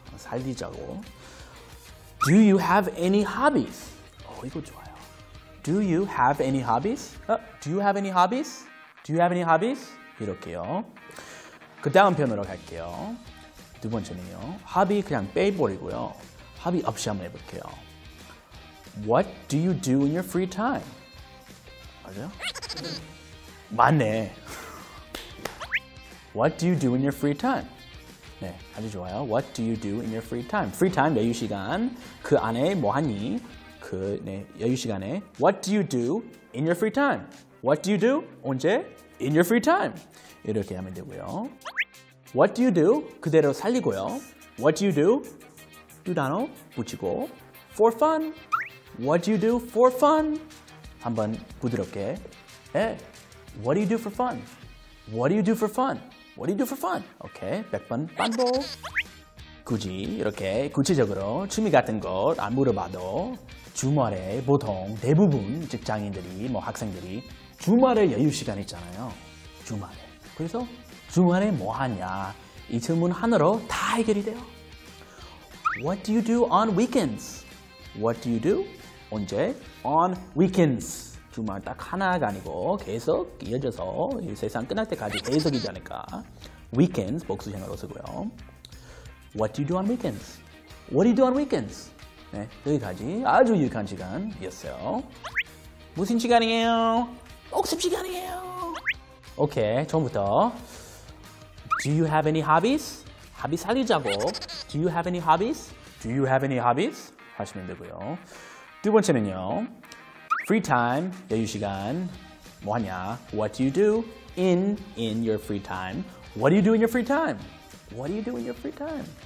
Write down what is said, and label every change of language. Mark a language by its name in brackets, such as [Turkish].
[Korean] 살리자고. [English] Do you have any hobbies? [Korean] 오, 이거 좋아요. [English] Do you have any hobbies? Do you have any hobbies? Do you have any hobbies? [Korean] 이렇게요. 그 다음 편으로 갈게요. 두 번째는요. Hobby 그냥 빼버리고요. Hobby 없이 한번 해볼게요. [English] What do you do in your free time? [Korean] 맞아요? 맞네. [English] What do you do in your free time? [Korean] 네, 아주 좋아요. [English] What do you do in your free time? Free time, [Korean] 여유 시간. 그 안에 뭐 하니? 그 네, 여유 시간에. [English] What do you do in your free time? What do you do? [Korean] 언제? [English] In your free time. 이렇게 하면 되고요. What do you do? [Korean] 그대로 살리고요. [English] What do you do? [Korean] 두 단어 붙이고. [English] For fun. What do you do for fun? [Korean] 한번 부드럽게. 에? [English] What do you do for fun? What do you do for fun? What do you do for fun? [Korean] 오케이, 100번 반복. 굳이 이렇게 구체적으로 취미 같은 것 안 물어봐도 주말에 보통 대부분 직장인들이 뭐 학생들이 주말에 여유 시간 있잖아요. 주말에. 그래서 주말에 뭐 하냐? 이 질문 하나로 다 해결이 돼요. [English] What do you do on weekends? What do you do? [Korean] 언제? [English] On weekends. [Korean] 주말 딱 하나가 아니고 계속 이어져서 이 세상 끝날 때까지 계속이지 않을까? Weekends 복수형으로 쓰고요. [English] What do you do on weekends? What do you do on weekends? [Korean] 네, 여기까지 아주 유익한 시간이었어요. 무슨 시간이에요? 복습 시간이에요. 오케이, 처음부터. [English] Do you have any hobbies? [Korean] 합이 살리자고. [English] Do you have any hobbies? Do you have any hobbies? [Korean] 하시면 되고요. 두 번째는요. [English] Free time, [Korean] 여유 시간. 뭐 하냐? [English] What do you do in your free time? What do you do in your free time? What do you do in your free time?